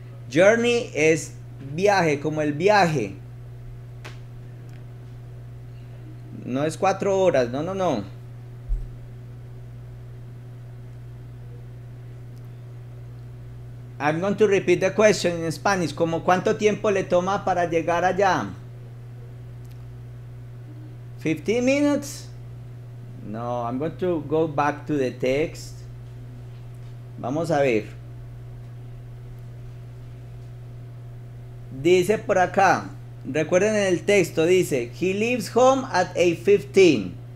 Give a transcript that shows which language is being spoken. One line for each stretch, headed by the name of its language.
Spanish: Journey es viaje, como el viaje. No es 4 horas, no.
English: I'm going to repeat the question in Spanish.
Spanish: ¿Como cuánto tiempo le toma para llegar allá?
English: 15 minutes? No, I'm going to go back to the text.
Spanish: Vamos a ver. Dice por acá. Recuerden en el texto, dice,
English: he leaves home at 8:15.